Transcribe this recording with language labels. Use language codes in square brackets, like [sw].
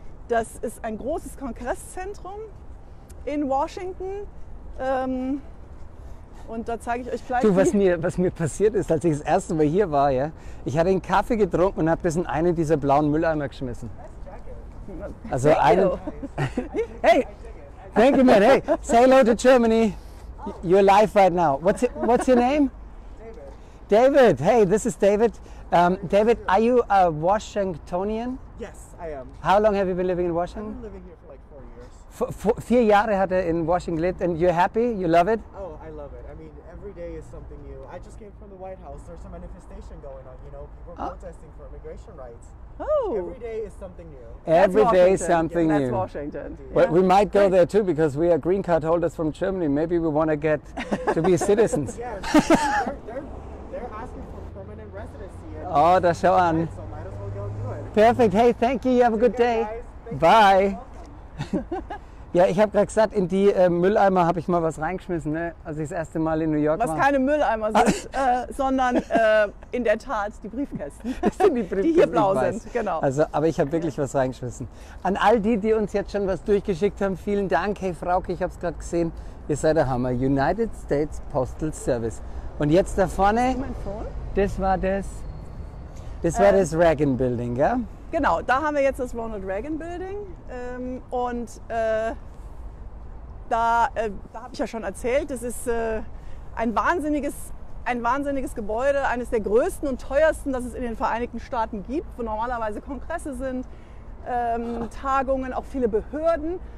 [de] Das ist ein großes Kongresszentrum in Washington. Und da zeige ich euch gleich. Du, was mir passiert ist, als ich das erste Mal hier war, ja, ich hatte einen Kaffee getrunken und habe das in einen dieser blauen Mülleimer geschmissen. Also einen. [en] Hey, thank you, man. Hey, say hello to Germany. You're live right now. What's your name? David. David. Hey, this is David. David, are you a Washingtonian? Yes, I am. How long have you been living in Washington? I've been living here for like 4 years. [de] Vier Jahre hat in Washington [en] lived, and you're happy? You love it? Oh, I love it. I mean, every day is something new. I just came from the White House. There's a manifestation going on, you know? People protesting for immigration rights. Oh! Every day is something new. Every day is something new. That's Washington. Yeah. Well, we might go there too, because we are green card holders from Germany. Maybe we want to get to be citizens. they're asking for permanent residency. [de] Oh, da schau an. [en] So might as well go do it. Perfect. Hey, thank you. You have a good day. Bye. [de] Ja, ich habe gerade gesagt, in die Mülleimer habe ich mal was reingeschmissen, ne? Als ich das erste Mal in New York war. Was keine Mülleimer sind, sondern in der Tat die Briefkästen. Das sind die Briefkästen, die hier blau sind, genau. Also, aber ich habe wirklich was reingeschmissen. An all die, die uns jetzt schon was durchgeschickt haben, vielen Dank. Hey Frauke, ich habe es gerade gesehen, ihr seid der Hammer. [en] United States Postal Service. [de] Und jetzt da vorne, das war das Reagan Building, gell? Genau, da haben wir jetzt das Ronald Reagan Building und da habe ich ja schon erzählt, das ist ein wahnsinniges Gebäude, eines der größten und teuersten, das es in den Vereinigten Staaten gibt, wo normalerweise Kongresse sind, Tagungen, auch viele Behörden.